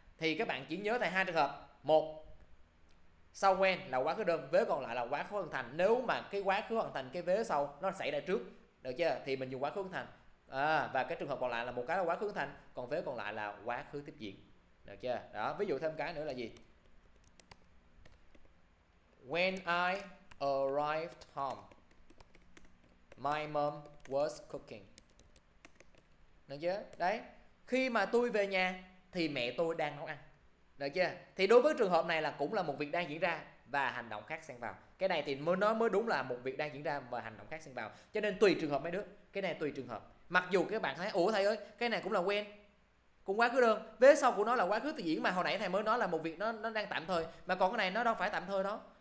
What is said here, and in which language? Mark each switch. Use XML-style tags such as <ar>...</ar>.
<vi>Thì các bạn chỉ nhớ thầy hai trường hợp. Một, sau when là quá khứ đơn, vế còn lại là quá khứ hoàn thành. Nếu mà cái quá khứ hoàn thành cái vế sau nó xảy ra trước, được chưa, thì mình dùng quá khứ hoàn thành. À, và cái trường hợp còn lại là một cái là quá khứ hoàn thành, còn vế còn lại là quá khứ tiếp diễn. Được chưa? Đó, ví dụ thêm cái nữa là gì?</vi> <en>When I arrived home, my mom was cooking.</en> <vi>Được chưa? Đấy, khi mà tôi về nhà thì mẹ tôi đang nấu ăn. Được chưa? Thì đối với trường hợp này là cũng là một việc đang diễn ra và hành động khác xen vào. Cái này thì mới đúng là một việc đang diễn ra và hành động khác xen vào. Cho nên tùy trường hợp mấy đứa. Cái này tùy trường hợp. Mặc dù các bạn thấy, ủa thầy ơi, cái này cũng là when, cũng quá khứ đơn, vế sau của nó là quá khứ tiếp diễn, mà hồi nãy thầy mới nói là một việc nó đang tạm thời, mà còn cái này nó đâu phải tạm thời đó.</vi>